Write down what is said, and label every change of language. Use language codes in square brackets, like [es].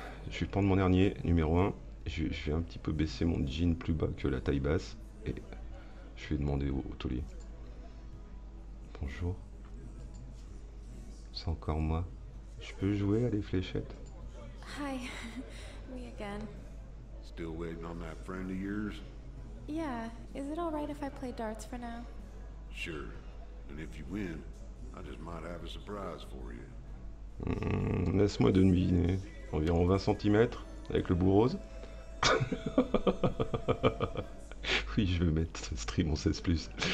[fr] Je vais prendre mon dernier, numéro 1. Je vais un petit peu baisser mon jean plus bas que la taille basse. Et je vais demander au taulier. Bonjour. C'est encore moi. Je peux jouer à des fléchettes? [en] Hi, me again. Still waiting on that friend of yours? Yeah, is it all right if I play darts for now? Sure, and if you win, I just might have a surprise for you. [fr] Laisse-moi deviner. Environ 20 cm avec le bout rose. Oui, je vais mettre stream en 16+.